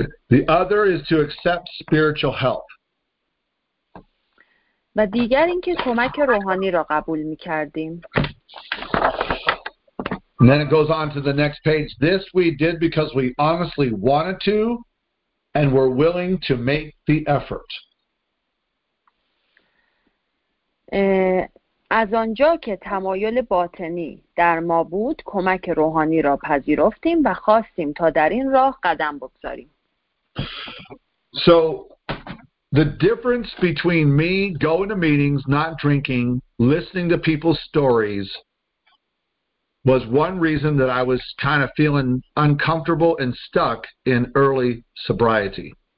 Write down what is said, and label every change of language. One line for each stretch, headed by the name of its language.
English: The other is to accept spiritual help.
Persian: و دیگر اینکه کمک روحانی را قبول می‌کردیم.
English: And then it goes on to the next page. This we did because we honestly wanted to and were willing to make the effort.
Persian: از آنجا که تمایل باطنی در ما بود کمک روحانی را پذیرفتیم و خواستیم تا در این راه قدم بگذاریم.
English: So the difference between me going to meetings, not drinking, listening to people's stories was one reason that I was kind of feeling uncomfortable and stuck in early sobriety.